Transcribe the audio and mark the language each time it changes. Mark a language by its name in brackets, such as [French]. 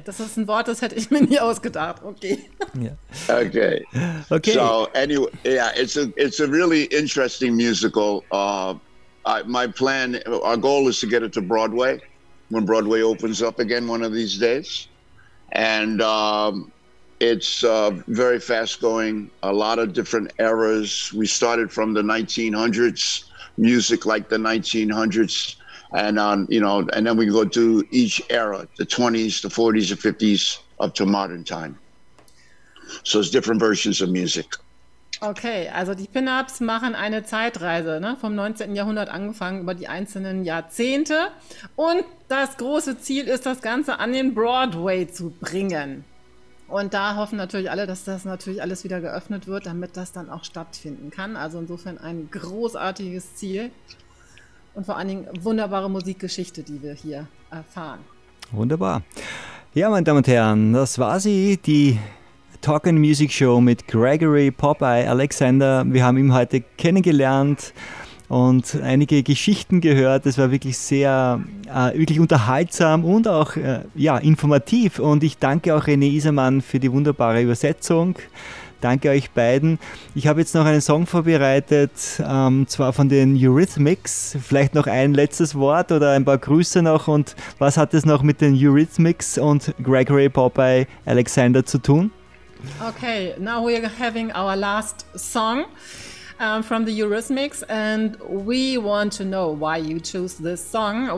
[German] Das ist ein Wort, das hätte ich mir nie ausgedacht. [English] Okay. Yeah. Okay. Okay. So anyway, yeah, it's a really interesting musical. My plan, our goal is to get it to Broadway when Broadway opens up again one of these days, and it's very fast going. A lot of different eras. We started from the 1900s music, like the 1900s. And you know, and then we go to each era, the 20s, the 40s, the 50s, up to modern time. So it's different versions of music. [German] Okay, also die Pin-Ups machen eine Zeitreise, ne? Vom 19. Jahrhundert angefangen über die einzelnen Jahrzehnte. Und das große Ziel ist, das Ganze an den Broadway zu bringen. Und da hoffen natürlich alle, dass das natürlich alles wieder geöffnet wird, damit das dann auch stattfinden kann. Also insofern ein großartiges Ziel. Und vor allen Dingen wunderbare Musikgeschichte, die wir hier erfahren. Wunderbar. Ja, meine Damen und Herren, das war sie, die Talkin' Music Show mit Gregory Popeye Alexander. Wir haben ihn heute kennengelernt und einige Geschichten gehört. Es war wirklich sehr, wirklich unterhaltsam und auch informativ. Und ich danke auch René Isermann für die wunderbare Übersetzung. Danke euch beiden. Ich habe jetzt noch einen Song vorbereitet, zwar von den Eurythmics. Vielleicht noch ein letztes Wort oder ein paar Grüße noch. Und was hat es noch mit den Eurythmics und Gregory Popeye Alexander zu tun? [English] Okay, now we are having our last song from the Eurythmics. And we want to know why you choose this song.